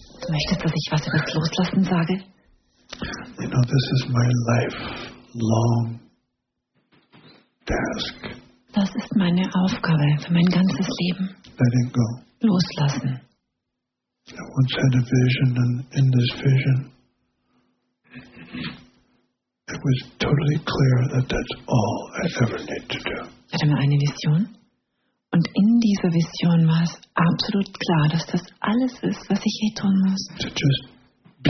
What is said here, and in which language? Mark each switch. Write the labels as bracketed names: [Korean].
[German] Du möchtest, dass ich was über das Loslassen sage? [English] You know, this is my lifelong task. [German] Das ist meine Aufgabe für mein ganzes Leben. [English] Letting go. [German] Loslassen. [English] I once had a vision, and in this vision, it was totally clear that that's all I ever need to do. [German] Ich hatte mal eine Vision. Und in dieser Vision war es absolut klar, dass das alles ist, was ich je tun muss.